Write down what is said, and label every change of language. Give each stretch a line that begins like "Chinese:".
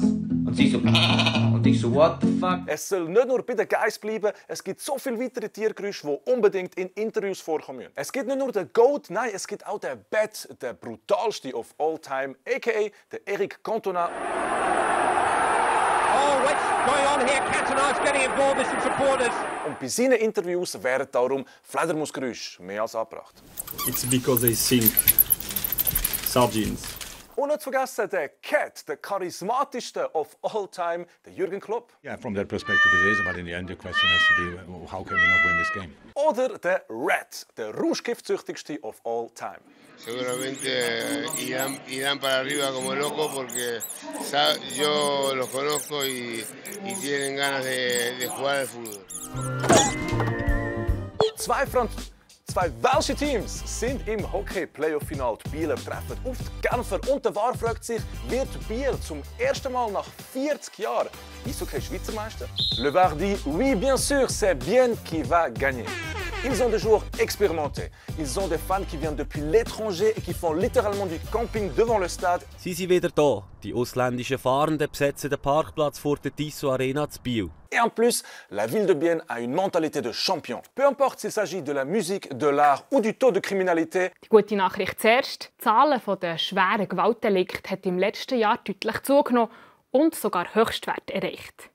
German: Und sie so, und ich so,
English: what the fuck?
German: Es soll nicht nur bei den Geiss bleiben, es gibt so viele weitere Tiergeräusche, die unbedingt in Interviews vorkommen müssen. Es gibt nicht nur den Goat, nein, es gibt auch den Bat, der brutalste
English: of all time, a.k.a.
German: der Eric Cantona.
English: Oh, what's going on here? Cantona is getting involved with some supporters.
German: Und bei seinen Interviews wären darum Fledermausgeräusche mehr als angebracht.
English: It's because they think. Sardines.
German: Und nicht zu vergessen, der Cat, der charismatischste
English: of all time,
German: der Jürgen Klopp.
English: Yeah, from that perspective it is, but in the end the question has to be, how can we not win this game?
German: Oder der Rat, der rauschgiftsüchtigste
English: of all time.
Spanish: Seguramente irán para arriba como loco porque yo los conozco y tienen ganas de jugar al fútbol.
German: Zwei welsche Teams sind im Hockey-Playoff-Finale. Die Bieler treffen auf die Genfer. Und der Wahr fragt sich, wird Biel zum ersten Mal nach 40 Jahren Eishockey-Schweizermeister?
French: Le Verdi, oui, bien sûr, c'est bien qui va gagner. Ils ont des joueurs expérimentés. Ils ont des fans qui viennent depuis l'étranger et qui font littéralement du camping devant le stade.
German: Sie sind wieder da. Die ausländischen Fahrenden besetzen den Parkplatz vor der Tissot Arena zu Biel.
French: Et en plus, la ville de Bienne a une mentalité de champion. Peu importe s'il s'agit de la musique, de l'art ou du taux de criminalité.
German: Die gute Nachricht zuerst. Die Zahlen von der schweren Gewaltdelikte hat im letzten Jahr deutlich zugenommen und sogar Höchstwert erreicht.